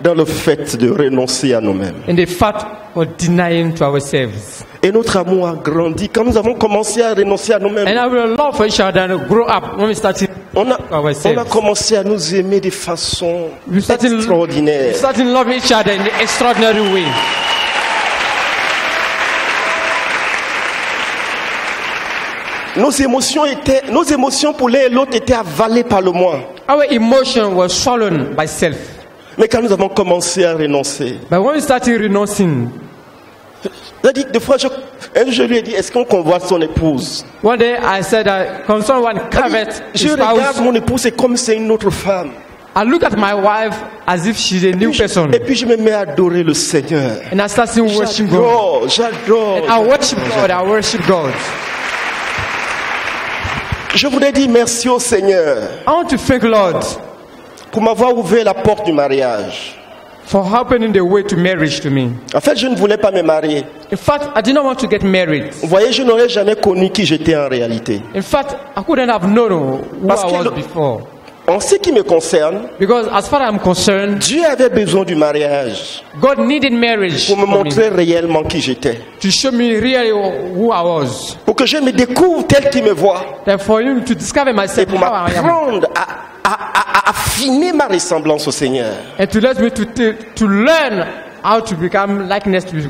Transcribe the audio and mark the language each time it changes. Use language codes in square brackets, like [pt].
[fr] dans le fait de renoncer à nous-mêmes, [en] in the fact of denying to ourselves. [fr] Et notre amour a grandi quand nous avons commencé à renoncer à nous-mêmes. [en] And our love for each other grew up when we started. [fr] On a commencé à nous aimer de façon extraordinaire. [en] We started loving each other in an extraordinary way. [fr] Nos émotions pour l'un et l'autre étaient avalées par le moi. [en] Our emotions were swallowed by self. [fr] Mais quand nous avons commencé à renoncer. [en] But when we started renouncing. [fr] De fois, je lui ai dit, est-ce qu'on convoite son épouse? [en] One day I said that, can someone covet his spouse? [fr] Je regarde mon épouse comme c'est une autre femme. [en] I look at my wife as if she's a new person. [fr] Et puis je me mets à adorer le Seigneur. [en] And I start to worship God. [fr] J'adore. [en] And I worship God. I worship God. [fr] Je voudrais dire merci au Seigneur. [en] I want to thank Lord [fr] pour m'avoir ouvert la porte du mariage. [en] For opening the way to marriage to me. [fr] En fait, je ne voulais pas me marier. [en] In fact, I did not want to get married. [fr] Vous voyez, je n'aurais jamais connu qui j'étais en réalité. [en] In fact, I couldn't have known who [fr] Parce [en] I was before. [fr] En ce qui me concerne, [en] because as far as I'm concerned, [fr] Dieu avait besoin du mariage. [en] God needed marriage [fr] pour me montrer réellement qui j'étais. [en] To show me really who I was. [fr] Pour que je me découvre tel qu'il me voit. [en] And for him to discover myself [fr] et pour m'apprendre à affiner ma ressemblance au Seigneur. [en] And to let me to learn how to become likeness to God.